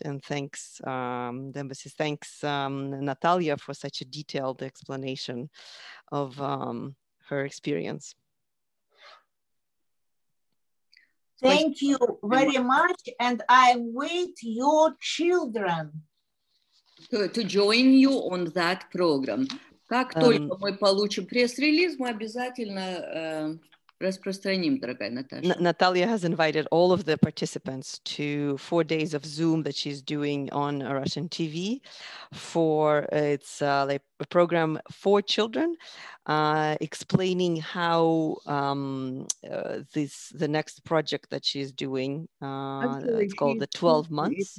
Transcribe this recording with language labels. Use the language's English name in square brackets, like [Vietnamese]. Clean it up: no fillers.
[English] And thanks, the embassy. Thanks, Natalia, for such a detailed explanation of her experience. Thank you very much, and I await your children. To join you on that program. [Russian] Как только мы получим пресс-релиз, мы обязательно распространим, дорогая Наташа. [English] Natalia has invited all of the participants to 4 days of Zoom that she's doing on Russian TV for its a program for children, explaining how the next project that she's doing, it's called the 12 months.